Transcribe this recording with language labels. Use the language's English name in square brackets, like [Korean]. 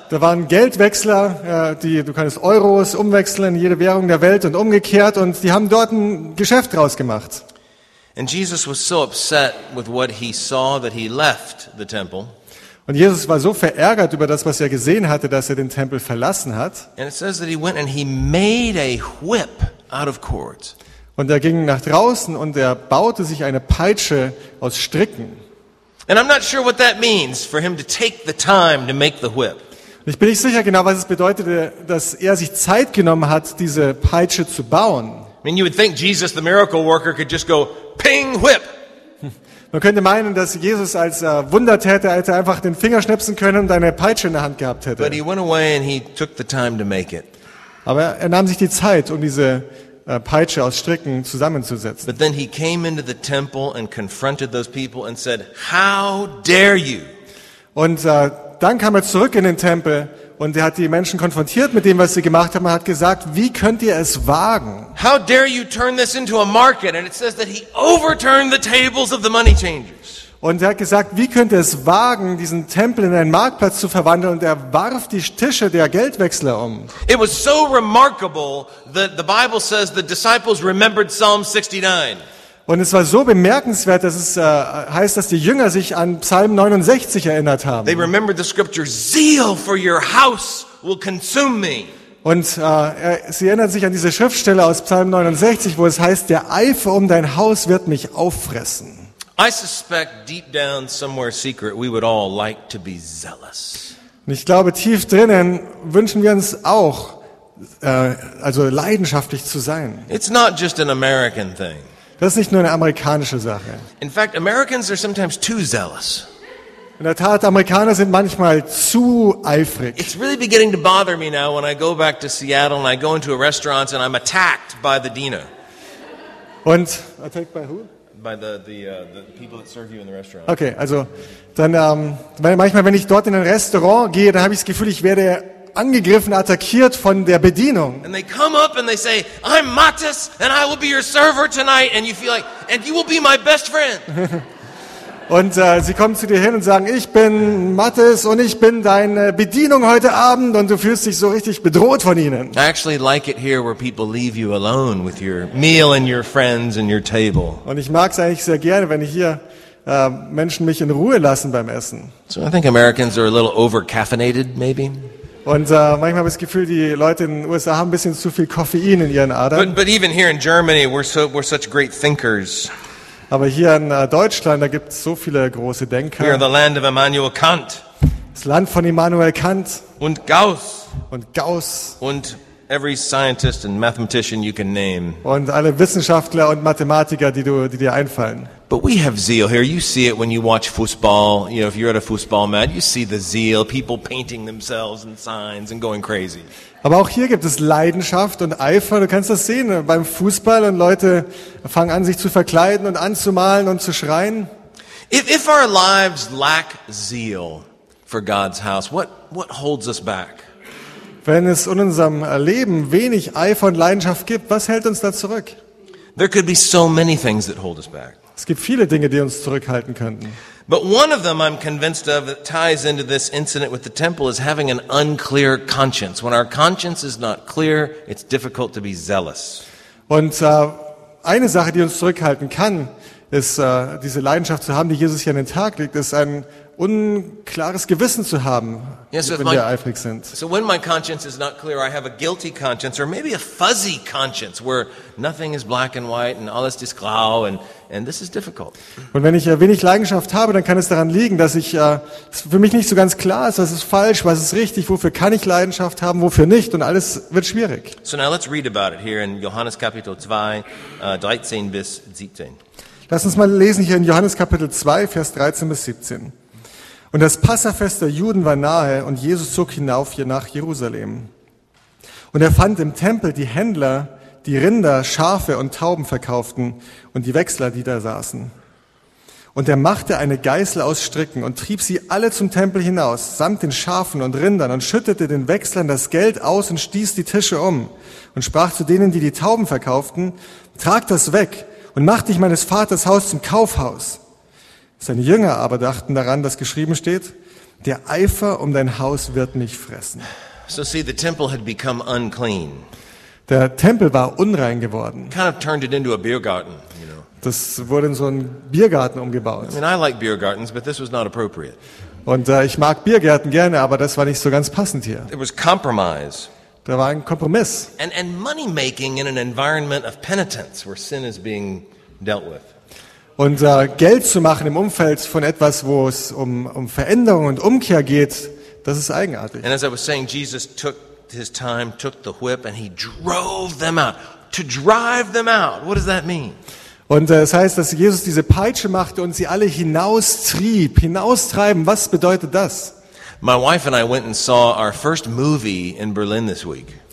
[German] Da waren Geldwechsler, die du kannst Euros umwechseln in jede Währung der Welt und umgekehrt, und die haben dort ein Geschäft draus gemacht. [English] And Jesus was so upset with what he saw that he left the temple. [German] Und Jesus war so verärgert über das, was er gesehen hatte, dass er den Tempel verlassen hat. [English] And it says that he went and he made a whip out of cords. [German] Und er ging nach draußen und er baute sich eine Peitsche aus Stricken. [English] And I'm not sure what that means for him to take the time to make the whip. [German] Ich bin nicht sicher genau, was es bedeutete, dass er sich Zeit genommen hat, diese Peitsche zu bauen. [English] I mean, you would think Jesus, the miracle worker, could just go ping whip. [German] Man könnte meinen, dass Jesus als Wundertäter hätte einfach den Finger schnipsen können und eine Peitsche in der Hand gehabt hätte. [English] But he went away and he took the time to make it. [German] Aber er nahm sich die Zeit, um diese Peitsche aus Stricken zusammenzusetzen. [English] But then he came into the temple and confronted those people and said, "How dare you?" [German] Und dann kam er zurück in den Tempel. Und er hat die Menschen konfrontiert mit dem, was sie gemacht haben, und hat gesagt, wie könnt ihr es wagen? [English] How dare you turn this into a market? And it says that he overturned the tables of the money changers. [German] Und er hat gesagt, wie könnt ihr es wagen, diesen Tempel in einen Marktplatz zu verwandeln? Und er warf die Tische der Geldwechsler um. [English] It was so remarkable that the Bible says the disciples remembered Psalm 69. [German] Und es war so bemerkenswert, dass es heißt, dass die Jünger sich an Psalm 69 erinnert haben. [English] They remembered the scripture, "Zeal for your house will consume me." [German] Und sie erinnert sich an diese Schriftstelle aus Psalm 69, wo es heißt, der Eifer um dein Haus wird mich auffressen. [English] I suspect deep down somewhere secret we would all like to be zealous. [German] Und ich glaube, tief drinnen wünschen wir uns auch, also leidenschaftlich zu sein. [English] It's not just an American thing. [German] Das ist nicht nur eine amerikanische Sache. [English] In fact, Americans are sometimes too zealous. [German] In der Tat, Amerikaner sind manchmal zu eifrig. [English] It's really beginning to bother me now when I go back to Seattle and I go into a restaurant and I'm attacked by the Dina. Und attacked by who? By the people that serve you in the restaurant. [German] Okay, also dann manchmal, wenn ich dort in ein Restaurant gehe, dann habe ich das Gefühl, ich werde angegriffen, attackiert von der Bedienung. [English] And they come up and they say, "I'm Mattis and I will be your server tonight," and you feel like, "And you will be my best friend." [German] Und sie kommen zu dir hin und sagen, ich bin Mattis und ich bin deine Bedienung heute Abend, und du fühlst dich so richtig bedroht von ihnen. [English] I actually like it here where people leave you alone with your meal and your friends and your table. [German] Und ich mag es eigentlich sehr gerne, wenn hier Menschen mich in Ruhe lassen beim Essen. [English] So I think Americans are a little over-caffeinated, maybe. [German] Und manchmal habe ich das Gefühl, die Leute in den USA haben ein bisschen zu viel Koffein in ihren Adern. [English] But even here in Germany, we're such great thinkers. [German] Aber hier in Deutschland, da gibt es so viele große Denker. [English] We are the land of Immanuel Kant. [German] Das Land von Immanuel Kant. Und Gauss. Und Gauss. [English] Und every scientist and mathematician you can name. [German] Und alle Wissenschaftler und Mathematiker, die dir einfallen. [English] But we have zeal here. You see it when you watch football. You know, if you're at a football match, you see the zeal. People painting themselves and signs and going crazy. [German] Aber auch hier gibt es Leidenschaft und Eifer. Du kannst das sehen beim Fußball, und Leute fangen an, sich zu verkleiden und anzumalen und zu schreien. [English] If our lives lack zeal for God's house, what holds us back? [German] Wenn es in unserem Leben wenig Eifer und Leidenschaft gibt, was hält uns da zurück? [English] There could be so many things that hold us back. [German] Es gibt viele Dinge, die uns zurückhalten könnten. [English] But one of them I'm convinced of that ties into this incident with the temple is having an unclear conscience. When our conscience is not clear, it's difficult to be zealous. [German] Und eine Sache, die uns zurückhalten kann, ist diese Leidenschaft zu haben, die Jesus hier an den Tag legt, ist ein unklares Gewissen zu haben, yeah, so wenn wir eifrig sind. [English] So when my conscience is not clear, I have a guilty conscience or maybe a fuzzy conscience where nothing is black and white and [German] alles ist grau, [English] and this is difficult. [German] Und wenn ich wenig Leidenschaft habe, dann kann es daran liegen, dass ich für mich nicht so ganz klar ist, was ist falsch, was ist richtig, wofür kann ich Leidenschaft haben, wofür nicht, und alles wird schwierig. [English] So now let's read about it here in [German] Johannes Kapitel 2, 13 bis 17. Lass uns mal lesen hier in Johannes Kapitel 2, Vers 13 bis 17. Und das Passafest der Juden war nahe, und Jesus zog hinauf hier nach Jerusalem. Und er fand im Tempel die Händler, die Rinder, Schafe und Tauben verkauften, und die Wechsler, die da saßen. Und er machte eine Geißel aus Stricken und trieb sie alle zum Tempel hinaus, samt den Schafen und Rindern, und schüttete den Wechslern das Geld aus und stieß die Tische um und sprach zu denen, die die Tauben verkauften, trag das weg und mach dich meines Vaters Haus zum Kaufhaus. Seine Jünger aber dachten daran, dass geschrieben steht, der Eifer um dein Haus wird mich fressen. [English] So see, the temple had become unclean. [German] Der Tempel war unrein geworden. [English] Kind of turned it into a beer garden, you know. [German] Das wurde in so einen Biergarten umgebaut. [English] I mean, I like beer gardens, but this was not appropriate. [German] Und ich mag Biergärten gerne, aber das war nicht so ganz passend hier. [English] There was compromise. [German] Da war ein Kompromiss. [English] And money making in an environment of penitence where sin is being dealt with. [German] Und Geld zu machen im Umfeld von etwas, wo es um Veränderung und Umkehr geht, das ist eigenartig. [English] And as I was saying, Jesus took his time, took the whip, and he drove them out. To drive them out. What does that mean? [German] Und es heißt, dass Jesus diese Peitsche machte und sie alle hinaustrieb, hinaustreiben. Was bedeutet das? [English] My wife and I went and saw our first movie in Berlin this week.